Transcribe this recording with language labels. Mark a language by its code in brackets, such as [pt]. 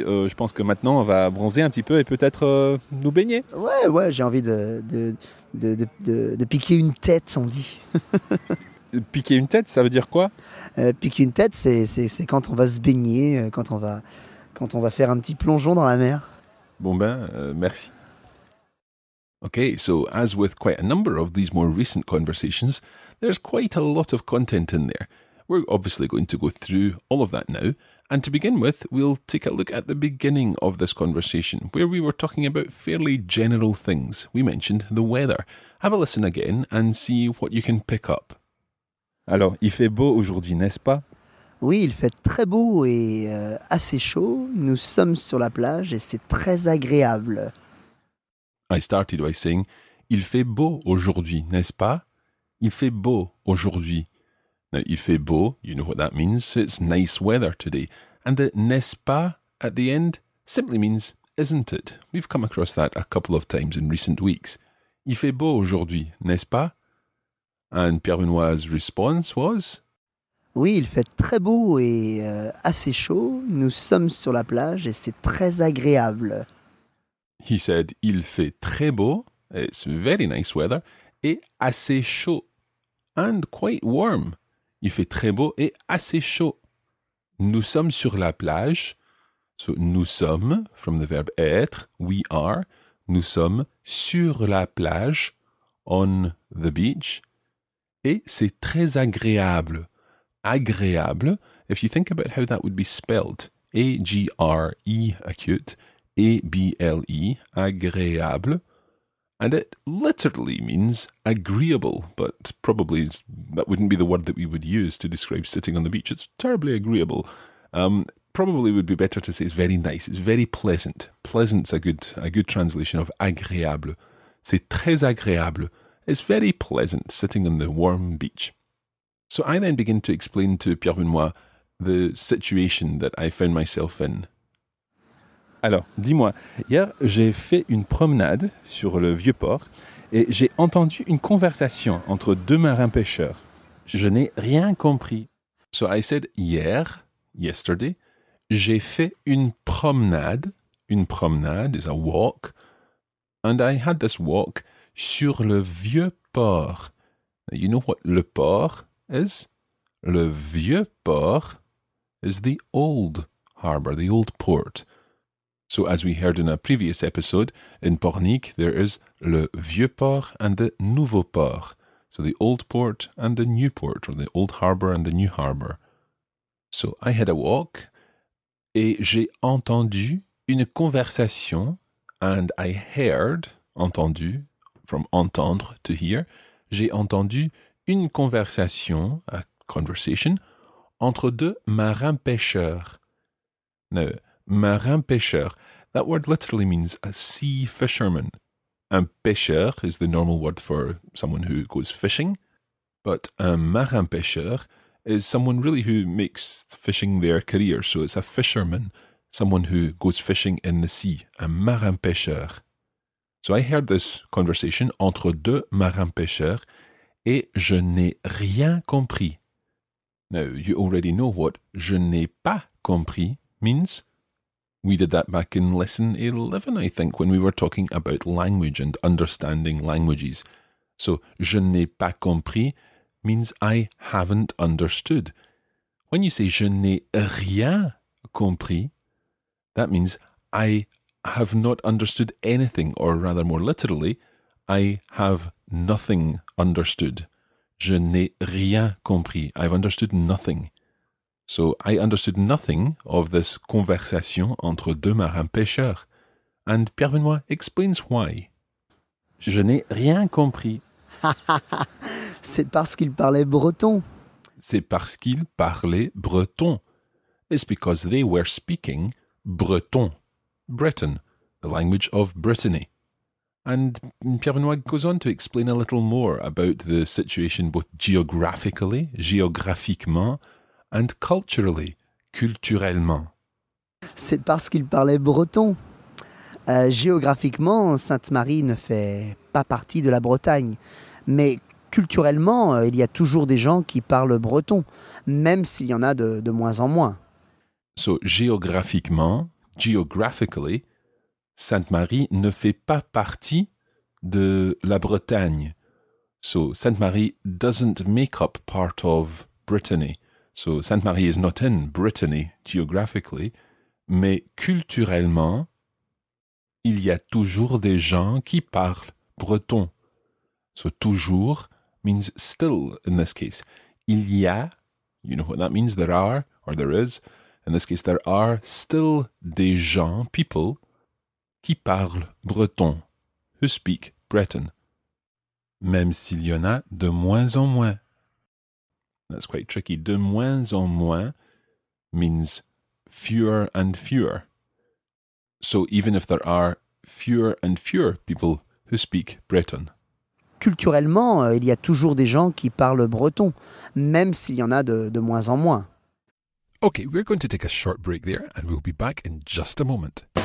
[fr] Je pense que maintenant, on va bronzer un petit peu et peut-être nous baigner. Ouais, ouais, j'ai envie de piquer une tête, on dit. Piquer une tête, ça veut dire quoi? Piquer une tête, c'est quand on va se baigner, quand on va faire un petit plongeon dans la mer. Bon ben, merci. [en] Okay, so as with quite a number of these more recent conversations, there's quite a lot of content in there. We're obviously going to go through all of that now. And to begin with, we'll take a look at the beginning of this conversation, where we were talking about fairly general things. We mentioned the weather. Have a listen again and see what you can pick up. [fr] Alors, il fait beau aujourd'hui, n'est-ce pas? Oui, il fait très beau et assez chaud. Nous sommes sur la plage et c'est très agréable. [en] I started by saying, [fr] il fait beau aujourd'hui, n'est-ce pas? Il fait beau aujourd'hui. [en] Now, [fr] il fait beau, [en] you know what that means, it's nice weather today. And the [fr] n'est-ce pas [en] at the end simply means, isn't it? We've come across that a couple of times in recent weeks. [fr] Il fait beau aujourd'hui, n'est-ce pas? [en] And Pierre Benoît's response was? [fr] Oui, il fait très beau et assez chaud. Nous sommes sur la plage et c'est très agréable. [en] He said, [fr] il fait très beau, [en] it's very nice weather, [fr] et assez chaud. [en] And quite warm. [fr] Il fait très beau et assez chaud. Nous sommes sur la plage. [en] So, [fr] nous sommes, [en] from the verb être, we are. [fr] Nous sommes sur la plage, [en] on the beach. [fr] Et c'est très agréable. [en] Agréable, if you think about how that would be spelled. A-G-R-E, acute. A-B-L-E, agréable. And it literally means agreeable, but probably that wouldn't be the word that we would use to describe sitting on the beach. It's terribly agreeable. Probably would be better to say it's very nice, it's very pleasant. Pleasant's a good translation of agréable. [fr] C'est très agréable. [en] It's very pleasant sitting on the warm beach. So I then begin to explain to Pierre Benoît the situation that I found myself in. [fr] Alors, dis-moi, hier, j'ai fait une promenade sur le vieux port et j'ai entendu une conversation entre deux marins pêcheurs. Je n'ai rien compris. [en] So I said [fr] hier, yesterday, J'ai fait une promenade. Une promenade [en] is a walk. And I had this walk [fr] sur le vieux port. [en] Now, you know what le port is? [fr] Le vieux port [en] is the old harbor, the old port. So as we heard in a previous episode, in Pornic, there is [fr] le vieux port [en] and the nouveau port. So the old port and the new port, or the old harbor and the new harbor. So I had a walk, [fr] et j'ai entendu une conversation, [en] and I heard, entendu, from entendre, to hear, [fr] j'ai entendu une conversation, [en] a conversation, [fr] entre deux marins-pêcheurs. [en] Now, marin-pêcheur, that word literally means a sea fisherman. Un pêcheur is the normal word for someone who goes fishing, but un marin-pêcheur is someone really who makes fishing their career, so it's a fisherman, someone who goes fishing in the sea, un marin-pêcheur. So I heard this conversation [fr] entre deux marins-pêcheurs et je n'ai rien compris. [en] Now, you already know what [fr] je n'ai pas compris [en] means. We did that back in lesson 11, I think, when we were talking about language and understanding languages. So, [fr] je n'ai pas compris [en] means I haven't understood. When you say [fr] je n'ai rien compris, [en] that means I have not understood anything, or rather more literally, I have nothing understood. [fr] Je n'ai rien compris. [en] I've understood nothing. So I understood nothing of this conversation [fr] entre deux marins-pêcheurs. [en] And Pierre Benoît explains why. [fr] Je n'ai rien compris. C'est parce qu'il parlait breton. C'est parce qu'il parlait breton. [en] It's because they were speaking breton. Breton, the language of Brittany. And Pierre-Benoît goes on to explain a little more about the situation both geographically, géographiquement, and culturally, culturellement. [fr] C'est parce qu'il parlait breton. Géographiquement, Sainte-Marie ne fait pas partie de la Bretagne. Mais culturellement, il y a toujours des gens qui parlent breton, même s'il y en a de moins en moins. So, géographiquement, geographically, Sainte-Marie ne fait pas partie de la Bretagne. [en] So, Sainte-Marie doesn't make up part of Brittany. So, Sainte-Marie is not in Brittany, geographically. [fr] Mais culturellement, il y a toujours des gens qui parlent breton. [en] So, toujours means still in this case. [fr] Il y a, [en] you know what that means, there are, or there is. In this case, there are still [fr] des gens, [en] people, [fr] qui parlent breton, [en] who speak Breton, [fr] même s'il y en a de moins en moins. [en] That's quite tricky. [fr] De moins en moins [en] means fewer and fewer. So even if there are fewer and fewer people who speak Breton. [fr] Culturellement, il y a toujours des gens qui parlent breton, même s'il y en a de moins en moins. [en] Okay, we're going to take a short break there and we'll be back in just a moment.